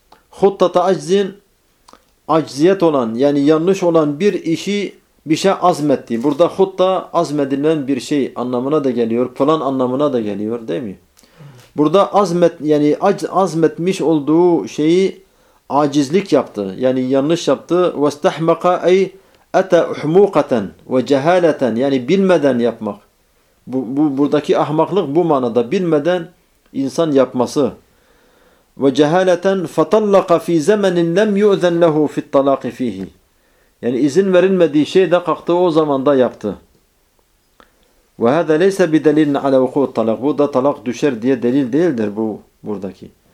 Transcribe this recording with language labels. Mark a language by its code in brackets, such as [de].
[tr] Huttata aczin, acziyet olan, yani yanlış olan bir işi, bir şey azmetti. Burada hutta azmedilen bir şey anlamına da geliyor. Plan anlamına da geliyor, değil mi? Burada azmet, yani azmetmiş olduğu şeyi acizlik yaptı. Yani yanlış yaptı. [ar] وَاسْتَحْمَقَ اَيْ اَتَا اُحْمُوقَةً وَجَهَالَةً, [tr] yani bilmeden yapmak. Buradaki ahmaklık bu manada. Bilmeden insan yapması. [ar] وَجَهَالَةً فَطَلَّقَ فِي زَمَنٍ لَمْ يُؤْذَنْ لَهُ فِي الطَّلَاقِ فِيهِ. [tr] Yani izin verilmediği şey de kalktı o zamanda yaptı. [ar] وَهَذَا لَيْسَ بِدَلِيلٍ عَلَى وُقُوعِ الطَّلَاقِ. [tr] Bu da talak düşer diye delil değildir bu buradaki.